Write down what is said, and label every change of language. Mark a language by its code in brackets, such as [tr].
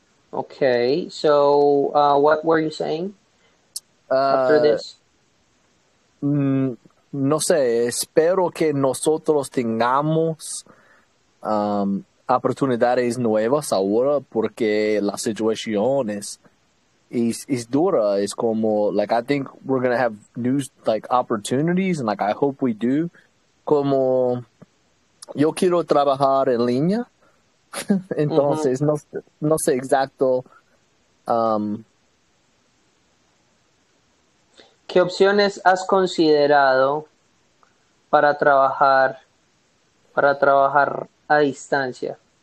[en] Okay, so what were you saying after this? [es] No sé, espero que nosotros tengamos oportunidades nuevas ahora porque la situación es dura. Es como, [en] like, I think we're gonna have new, like, opportunities, and, like, I hope we do. [es] Como yo quiero trabajar en línea, entonces no sé exacto ¿Qué opciones has considerado para trabajar a distancia?